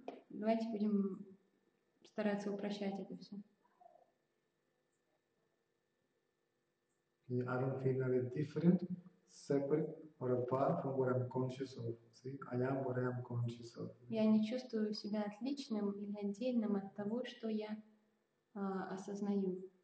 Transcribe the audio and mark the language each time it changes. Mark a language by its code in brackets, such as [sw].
[ru] Давайте будем стараться упрощать это все. [en] I don't feel any different, separate or apart from what I'm conscious of. See, I am what I am conscious of. [ru] Я не чувствую себя отличным или отдельным от того, что я осознаю.